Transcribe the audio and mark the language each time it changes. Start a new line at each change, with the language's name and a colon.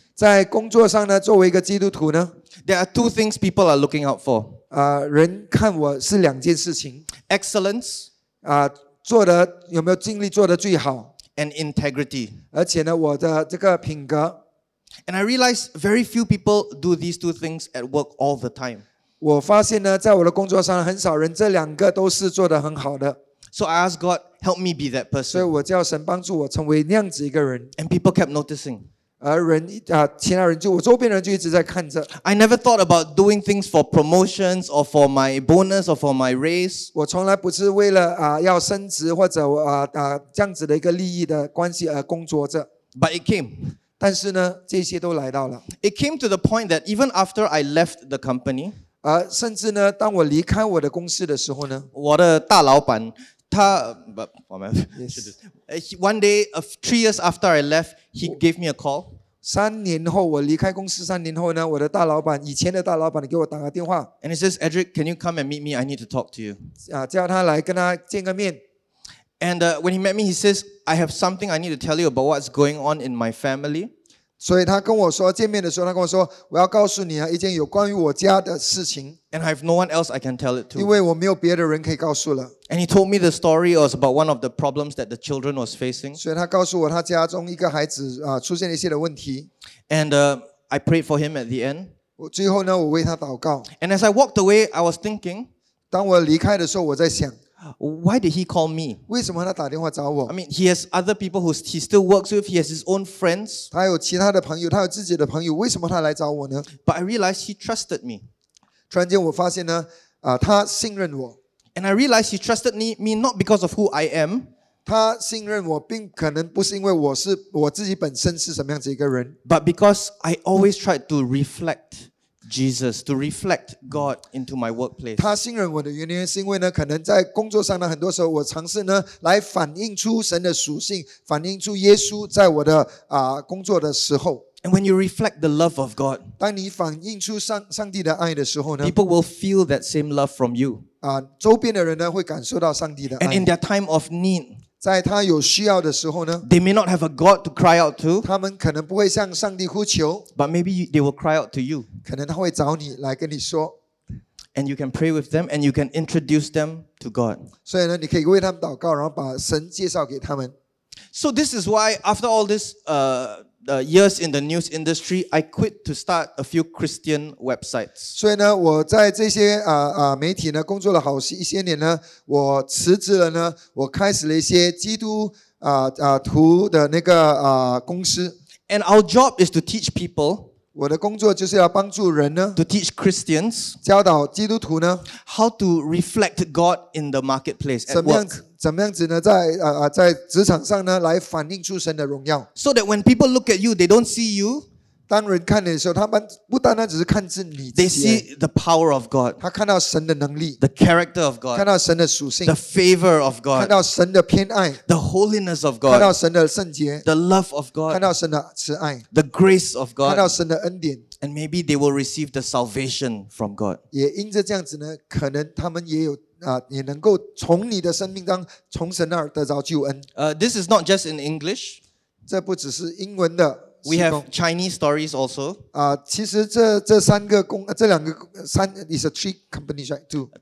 Chinese: 在工作上呢，作为一个基督徒呢
English: ，there are two things people are looking out for.
Chinese: 人看我是两件事情
English: ，excellence.
Chinese: 做的有没有尽力做的最好
English: ，and integrity.
Chinese: 而且呢，我的这个品格
English: ，and I realized very few people do these two things at work all the time.
Chinese: 我发现呢，在我的工作上，很少人这两个都是做的很好的。
English: So I asked God, help me be that person.
Chinese: 所以我叫神帮助我成为那样子一个人。
English: And people kept noticing.
Chinese: 其他人就我周边人就一直在看着。
English: I never thought about doing things for promotions or for my bonus or for my raise.
Chinese: 我从来不是为了要升职或者这样子的一个利益的关系而工作着。
English: But it came.
Chinese: 但是呢，这些都来到了。
English: It came to the point that even after I left the company.
Chinese: 甚至呢，当我离开我的公司的时候呢，我的大老板他
English: one day of 3 years after I left, he gave me a call.
Chinese: 三年后我离开公司三年后呢，我的大老板以前的大老板给我打个电话
English: ，and he says, Edric, can you come and meet me? I need to talk to you.
Chinese: 叫他来跟他见个面。
English: And when he met me, he says, I have something I need to tell you about what's going on in my family.
Chinese: 所以他跟我说见面的时候，他跟我说：“我要告诉你一件有关于我家的事情。”
English: And I have no one else I can tell it to.
Chinese: 因为我没有别的人可以告诉了。
English: And he told me the story was about one of the problems that the children was facing.
Chinese: 所以他告诉我他家中一个孩子出现了一些的问题。
English: And I prayed for him at the end.
Chinese: 最后呢，我为他祷告。
English: And as I walked away, I was thinking.
Chinese: 当我离开的时候，我在想。
English: Why did he call me?
Chinese: 为什么他打电话找我？
English: I mean, he has other people who he still works with. He has his own friends.
Chinese: 他有其他的朋友，他有自己的朋友。为什么他来找我呢？
English: But I realized he trusted me.
Chinese: 突然间我发现呢，他信任我。
English: And I realized he trusted me not because of who I am.
Chinese: 他信任我并可能不是因为我自己本身是什么样子一个人
English: but because I always try to reflect Jesus, to reflect God into my workplace.
Chinese: 他信任我的原因是因为呢可能在工作上呢很多时候我尝试呢来反映出神的属性反映出耶稣在我的工作的时候
English: And when you reflect the love of God,
Chinese: 当你反映出上帝的爱的时候呢
English: people will feel that same love from you.
Chinese: 周边的人呢会感受到上帝的爱
English: And in their time of need,
Chinese: 在他有需要的时候呢
English: they may not have a God to cry out to,
Chinese: 他们可能不会向上帝呼求
English: but maybe they will cry out to you,
Chinese: 可能他会找你来跟你说
English: and you can pray with them and you can introduce them to God.
Chinese: 所以呢你可以为他们祷告然后把神介绍给他们
English: So this is why after all this years in the news industry, I quit to start a few Christian websites.
Chinese: 所以呢我在这些媒体呢工作了好一些年呢我辞职了呢我开始了一些基督徒的那个公司。
English: And our job is to teach people,
Chinese: 我的工作就是要帮助人呢
English: to teach Christians,
Chinese: 教导基督徒呢
English: how to reflect God in the marketplace at work.
Chinese: 怎么样子呢在在职场上呢来反映出神的荣耀。
English: So that when people look at you, they don't see you.
Chinese: 当人看你的时候他们不单单只是看着你自己。
English: They see the power of God.
Chinese: 他看到神的能力。
English: The character of God.
Chinese: 看到神的属性。
English: The favor of God.
Chinese: 看到神的偏爱。
English: The holiness of God.
Chinese: 看到神的圣洁。
English: The love of God.
Chinese: 看到神的慈爱。
English: The grace of God.
Chinese: 看到神的恩典。
English: And maybe they will receive the salvation from God.
Chinese: 也因着这样子呢可能他们也有也能够从你的生命当从神那儿得着救恩。
English: This is not just in English.
Chinese: 这不只是英文的。
English: We have Chinese stories also.
Chinese: 其实这三个公这两个三
English: is a three companies, right? Two.